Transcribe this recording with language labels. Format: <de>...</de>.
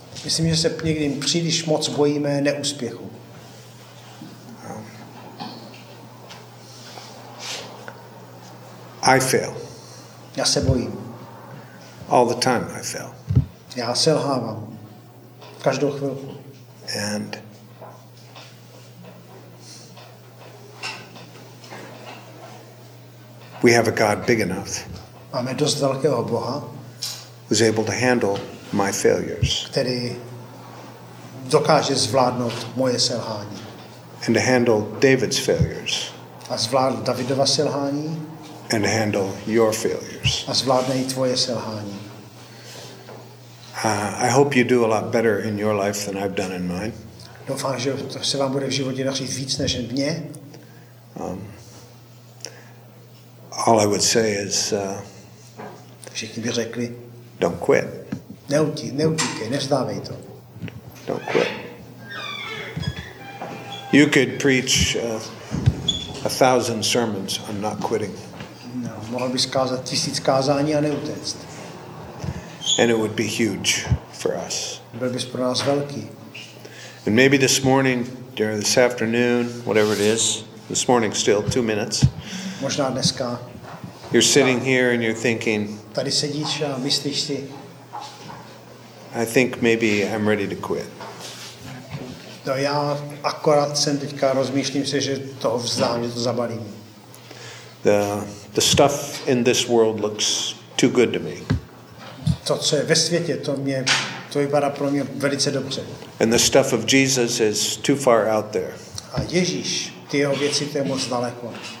<cs>Myslím, že se někdy příliš moc bojíme neúspěchu.</cs> <en>I fail.</en> <cs>Já se bojím.</cs> <en>All the time I fail.</en> <cs>Já selhávám. Každou chvilku.</cs> <en>And we have a God big enough.</en> <cs>Máme dost velkého Boha.</cs> <en>Who's able to handle my failures.</en> <cs>Který dokáže zvládnout moje selhání.</cs> <en>And to handle David's failures.</en> <cs>A zvládnout Davidova selhání.</cs> <en>And handle your failures.</en> <cs>A zvládne i tvoje selhání.</cs> <en>I hope you do a lot better in your life than I've done in mine.</en> <cs>Doufám, že to se vám bude v životě dařit víc než v mně.</cs> <en>All I would say is</en> <cs>všichni by řekli,</cs> <en>Don't quit.</en> <cs>Neutíkej, nevzdávej to.</cs> <en>Don't quit. You could preach a thousand sermons on not quitting.</en> <cs>No, mohl bys kázat tisíc kázání a neutéct.</cs> <en>And it would be huge for us.</en> <cs>Byl bys pro nás velký.</cs> <en>And maybe this morning, during this afternoon, whatever it is, this morning still, 2 minutes.</en> <cs>Možná dneska.</cs> <en>You're sitting here and you're thinking,</en> <cs>tady sedíš a myslíš si,</cs> <en>I think maybe I'm ready to quit.</en> <cs>No já akorát jsem teďka rozmýšlím se, že to vzdám, že to zabalím.</cs> <en>The stuff in this world looks too good to me.</en> <cs>To, co je ve světě, to vypadá pro mě velice dobře.</cs> <en>And the stuff of Jesus is too far out there.</en> <cs>A Ježíš, ty jeho věci, to je moc daleko.</cs>